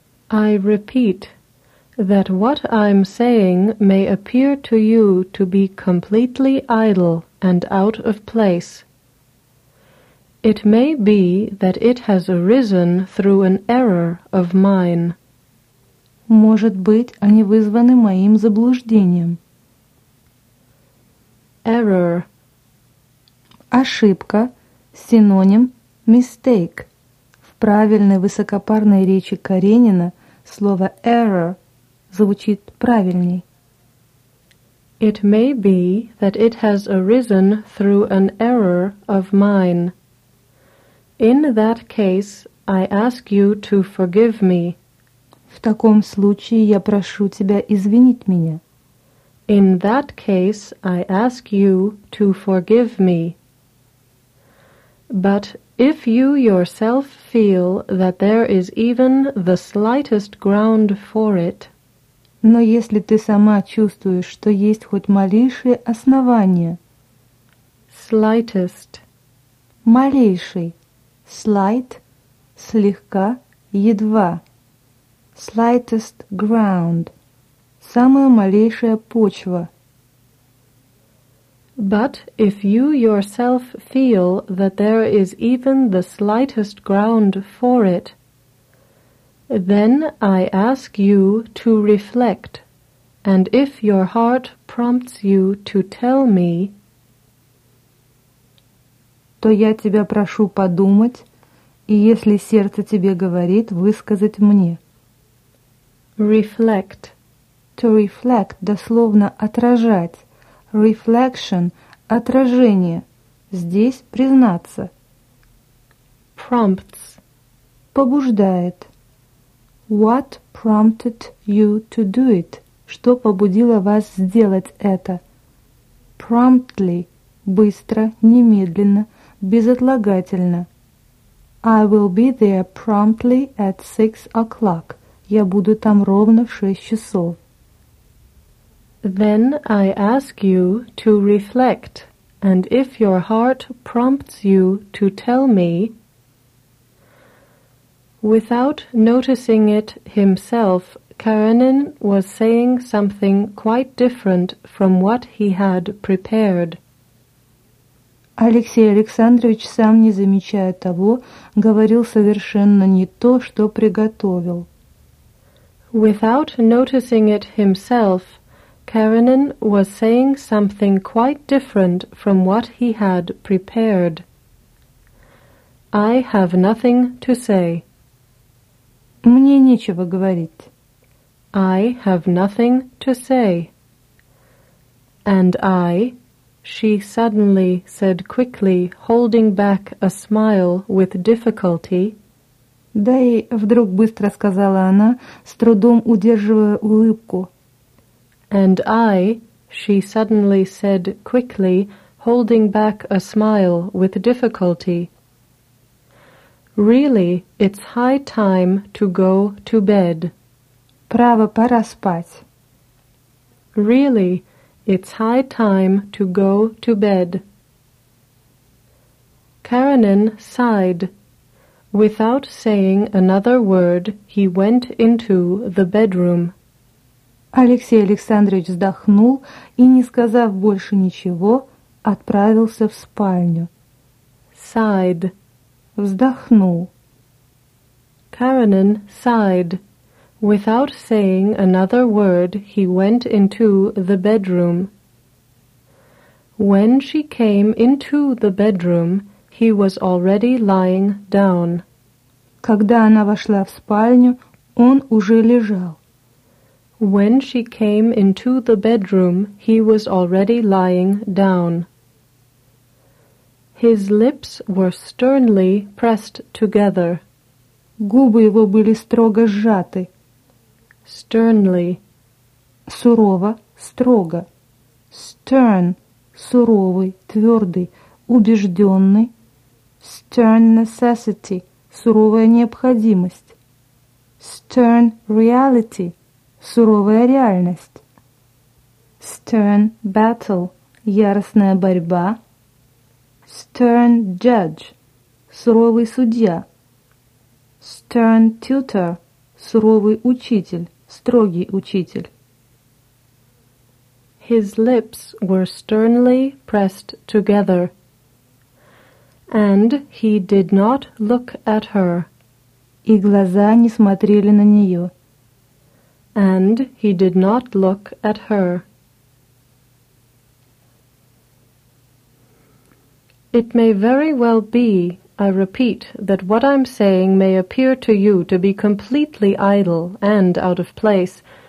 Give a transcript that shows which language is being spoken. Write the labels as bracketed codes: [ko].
[en] I repeat that what I'm saying may appear to you to be completely idle and out of place. It may be that it has arisen through an error of mine. [ru] Может быть, они вызваны моим заблуждением. [en] Error. [ru] Ошибка, синоним mistake. В правильной высокопарной речи Каренина слово error звучит правильней. [en] It may be that it has arisen through an error of mine. In that case, I ask you to forgive me. [ru] В таком случае я прошу тебя извинить меня. [en] In that case, I ask you to forgive me. But if you yourself feel that there is even the slightest ground for it, [ru] но если ты сама чувствуешь, что есть хоть малейшие основания. [en] Slightest. [ru] Малейший. Slight. Слегка. Едва. [en] Slightest ground. [ru] Самая малейшая почва. [en] But if you yourself feel that there is even the slightest ground for it, then I ask you to reflect, and if your heart prompts you to tell me, [ru] то я тебя прошу подумать, и если сердце тебе говорит, высказать мне. [en] Reflect. To reflect, [ru] дословно отражать. Reflection, отражение. Здесь признаться. [en] Prompts. [ru] Побуждает. [en] What prompted you to do it? [ru] Что побудило вас сделать это? Promptly – быстро, немедленно, безотлагательно. [en] I will be there promptly at 6 o'clock. [ru] Я буду там ровно в 6 часов. [en] Then I ask you to reflect, and if your heart prompts you to tell me, without noticing it himself, Karenin was saying something quite different from what he had prepared. [ru] Алексей Александрович, сам не замечая того, говорил совершенно не то, что приготовил. [en] Without noticing it himself, Karenin was saying something quite different from what he had prepared. I have nothing to say. [ru] Мне нечего говорить. [en] I have nothing to say. And I, she suddenly said quickly, holding back a smile with difficulty. [ru] Да и вдруг быстро сказала она, с трудом удерживая улыбку. [en] And I, she suddenly said quickly, holding back a smile with difficulty. Really, it's high time to go to bed. [ru] Право, пора спать. [en] Really, it's high time to go to bed. Karenin sighed. Without saying another word, he went into the bedroom. [ru] Алексей Александрович вздохнул и, не сказав больше ничего, отправился в спальню. [en] Sighed. [ru] Вздохнул. [en] Karenin sighed. Without saying another word, he went into the bedroom. When she came into the bedroom, he was already lying down. [ru] Когда она вошла в спальню, он уже лежал. [en] When she came into the bedroom, he was already lying down. His lips were sternly pressed together. [ru] Губы его были строго сжаты. [en] Sternly. [ru] Сурово, строго. Stern. Суровый, твердый, убежденный. [en] Stern necessity. [ru] Суровая необходимость. [en] Stern reality. [ru] Суровая реальность. [en] Stern battle. [ru] Яростная борьба. [en] Stern judge. [ru] Суровый судья. [en] Stern tutor. [ru] Суровый учитель. Строгий учитель. [en] His lips were sternly pressed together. And he did not look at her. [ru] И глаза не смотрели на нее. [en] And he did not look at her. It may very well be, I repeat, that what I'm saying may appear to you to be completely idle and out of place.